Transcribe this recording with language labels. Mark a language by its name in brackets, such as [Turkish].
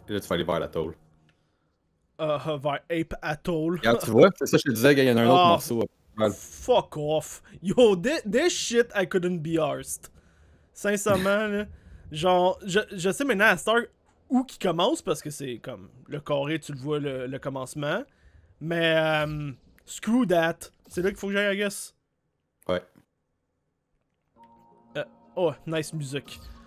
[French] Et là, tu vas aller vers l'atoll. Vers Ape Atoll. Regarde, tu vois, c'est ça que je te disais, il y en a un autre morceau. [English] Ouais. Fuck off. Yo, this shit, I couldn't be arsed. [French] Sincèrement, là. Genre, je sais maintenant à Star où qui commence, parce que c'est comme le carré, tu le vois, le commencement. Mais, [English] screw that. [French] C'est là qu'il faut que j'aille, [English] I guess. [French] Ouais. [English] Oh, nice music.